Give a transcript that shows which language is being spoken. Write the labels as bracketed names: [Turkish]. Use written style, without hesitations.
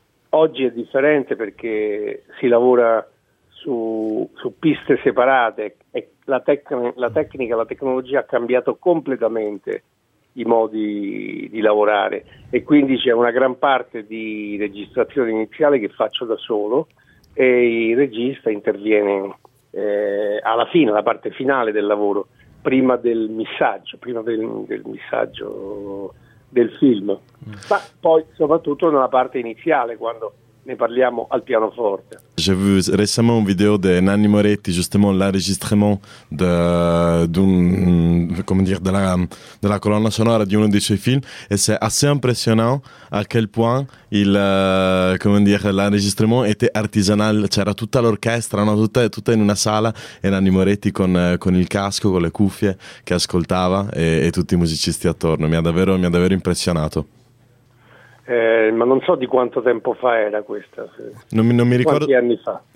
[Italian] Oggi è differente perché si lavora su piste separate e la tecnologia ha cambiato completamente i modi di lavorare e quindi c'è una gran parte di registrazione iniziale che faccio da solo e il regista interviene alla fine, alla parte finale del lavoro, prima del missaggio del film, ma poi soprattutto nella parte iniziale quando ne parliamo al pianoforte. [French] J'ai vu récemment une vidéo de Nanni Moretti, justement l'enregistrement de la colonne sonore [Italian] di uno dei suoi film, e [French] c'est assez impressionnant à quel point l'enregistrement était artisanal. [Italian] C'era tutta l'orchestra, no? tutta in una sala, e Nanni Moretti con il casco, con le cuffie, che ascoltava e tutti i musicisti attorno. Mi ha davvero impressionato. Ma non so di quanto tempo fa era questa, non mi ricordo, quanti anni fa?